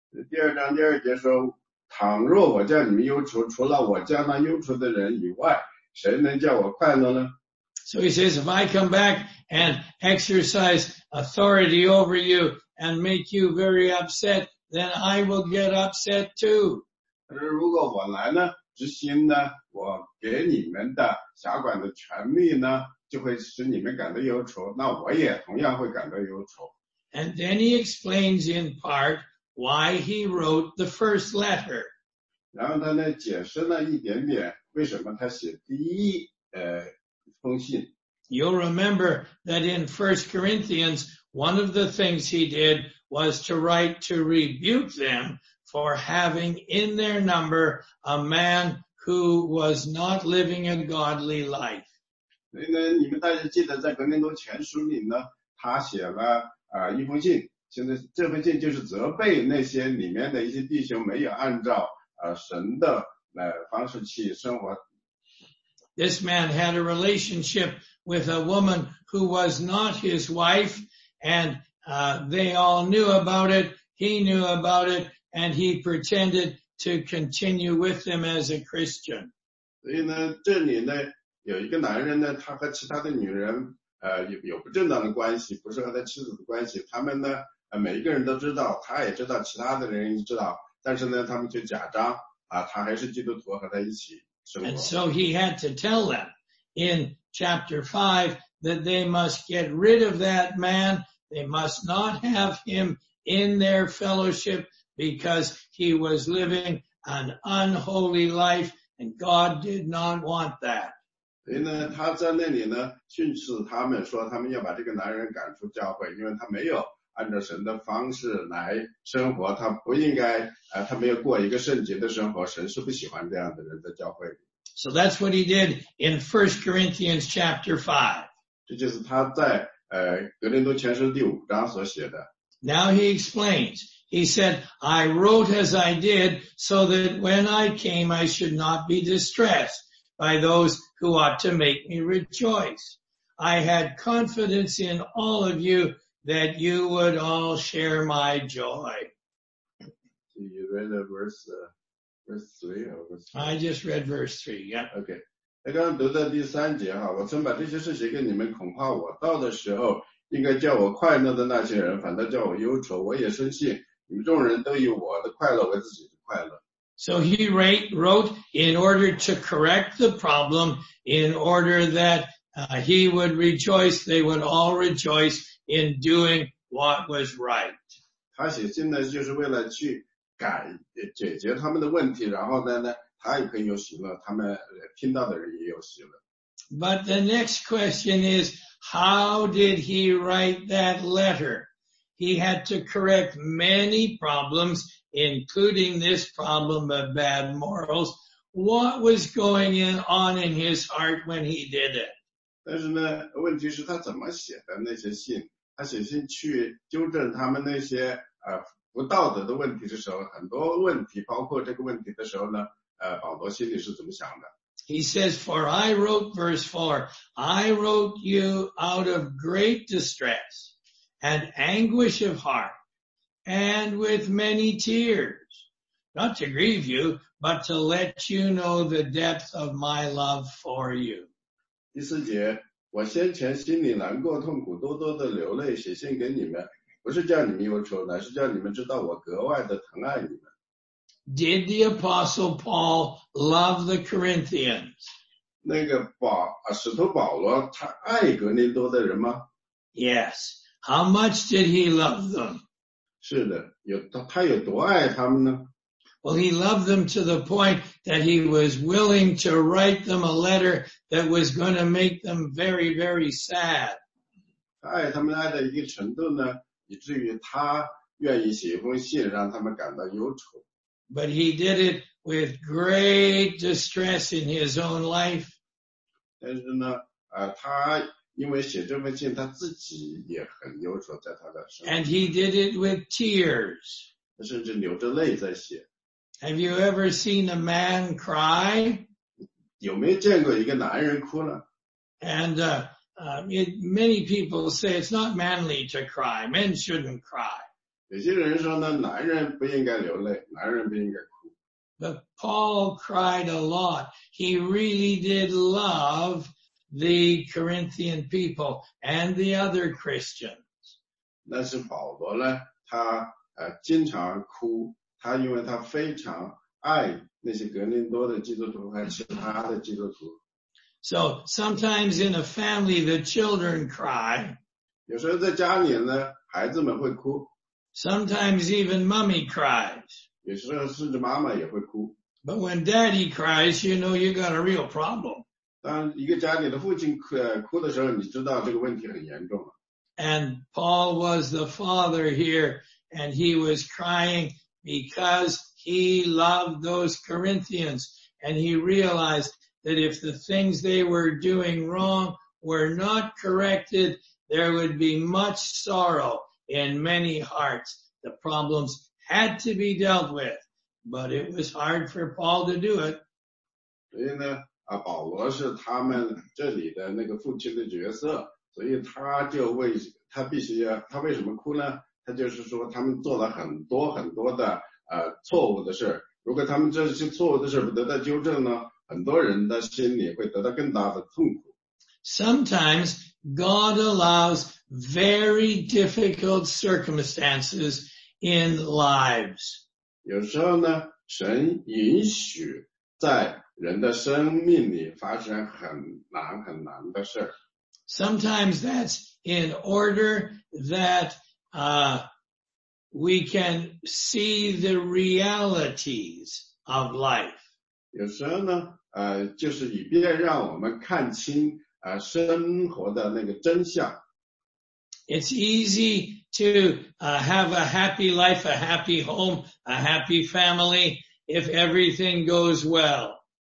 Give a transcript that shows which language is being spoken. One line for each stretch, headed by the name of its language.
Chinese: 第二章第二节说，倘若我叫你们忧愁，除了我叫那忧愁的人以外，谁能叫我快乐呢？
English: So he says, if I come back and exercise authority over you and make you very upset, then I will get upset too.
Chinese: 他说如果我来呢，执行呢，我给你们的辖管的权利呢，就会使你们感到忧愁，那我也同样会感到忧愁。
English: And then he explains in part why he wrote the first letter.
Chinese: 然后他呢解释了一点点为什么他写第一封信。
English: You'll remember that in 1 Corinthians, one of the things he did was to write to rebuke them for having in their number a man who was not living a godly life.
Chinese: 所以呢你们大家记得在格林多前书里呢他写了一封信，现在这封信就是责备那些里面的一些弟兄没有按照神的方式去生活。
English: This man had a relationship with a woman who was not his wife, and they all knew about it, he knew about it, and he pretended to continue with them as a Christian.
Chinese: 所以呢，这里呢，有一个男人呢，他和其他的女人有不正当的关系，不是和他妻子的关系。他们呢，每一个人都知道，他也知道，其他的人也知道，但是呢，他们却假装他还是基督徒，和他一起生活。
English: And so he had to tell them in chapter 5 that they must get rid of that man. They must not have him in their fellowship because he was living an unholy life, and God did not want that.
Chinese: 所以呢他在那里呢训斥他们说他们要把这个男人赶出教会，因为他没有按照神的方式来生活，他不应该他没有过一个圣洁的生活，神是不喜欢这样的人在教会里。
English: So that's what he did in 1 Corinthians chapter 5.
Chinese: 这就是他在格林多前书第五章所写的。
English: Now he explains. He said, I wrote as I did so that when I came I should not be distressed by those who ought to make me rejoice. I had confidence in all of you that you would all share my joy. So you read verse 3 or verse 4? I just read verse 3, yeah. Okay.
Chinese: 刚刚读到第三节哈，我曾把这些事写给你们，恐怕我到的时候应该叫我快乐的那些人反倒叫我忧愁，我也深信你们众人都以我的快乐为自己的快乐。
English: So he wrote in order to correct the problem, in order that he would rejoice, they would all rejoice in doing what was right.
Chinese: 他写信呢就是为了去解决他们的问题，然后呢他也可以有喜乐，他们听到的人也有喜乐。
English: But the next question is, how did he write that letter? He had to correct many problems,including this problem of bad morals. What was going on in his heart when he did it?
Chinese: 但是呢问题是他怎么写的那些信，他写信去纠正他们那些不道德的问题的时候，很多问题包括这个问题的时候呢保罗心里是怎么想的。
English: He says, for I wrote verse 4, I wrote you out of great distress and anguish of heart,and with many tears, not to grieve you, but to let you know the depth of my love for you.
Chinese: 第四节，我先前心里难过痛苦，多多的流泪，写信给你们，不是叫你们忧愁，乃是叫你们知道我格外的疼爱你们。
English: Did the Apostle Paul love the Corinthians?
Chinese: 那个使徒保罗，他爱格林多的人吗？
English: Yes. How much did he love them?
Chinese: 是的，他有多爱他们呢？
English: Well, he loved them to the point that he was willing to write them a letter that was going to make them very, very sad.
Chinese: 他爱他们爱到一个程度呢，以至于他愿意写一封信让他们感到忧愁。
English: But he did it with great distress in his own life.
Chinese: 但是呢，他因为写这封信他自己也很忧愁在他的身。
English: And he did it with tears.
Chinese: 他甚至流着泪在写。
English: Have you ever seen a man cry?
Chinese: 有没有见过一个男人哭呢？
English: And many people say it's not manly to cry. Men shouldn't cry.
Chinese: 有些人说呢，男人不应该流泪，男人不应该哭。
English: But Paul cried a lot. He really did love the Corinthian people and the other Christians.
Chinese: 但是保罗呢，他经常哭，他因为他非常爱那些格林多的基督徒和其他的基督徒。
English: So sometimes in a family, the children cry.
Chinese: 有时候在家里呢，孩子们会哭。
English: Sometimes even mommy cries.
Chinese: 有时候甚至妈妈也会哭。
English: But when daddy cries, you know you got a real problem.
Chinese: 当一个家里的父亲哭的时候，你知道这个问题很严重了。
English: And Paul was the father here, and he was crying because he loved those Corinthians, and he realized that if the things they were doing wrong were not corrected, there would be much sorrow in many hearts. The problems had to be dealt with, but it was hard for Paul to do it.
Chinese: 所以呢，保罗是他们这里的那个父亲的角色，所以他为什么哭呢？他就是说他们做了很多很多的错误的事，如果他们这些错误的事不得到纠正呢，很多人的心里会得到更大的痛苦。
English: Sometimes God allows very difficult circumstances in lives.
Chinese: 有时候呢，神允许在人的生命里发生很难很难的事。
English: Sometimes that's in order that we can see the realities of life.
Chinese: 有时候呢，就是以便让我们看清生活的那个真相。
English: It's easy to have a happy life, a happy home, a happy family if everything goes well.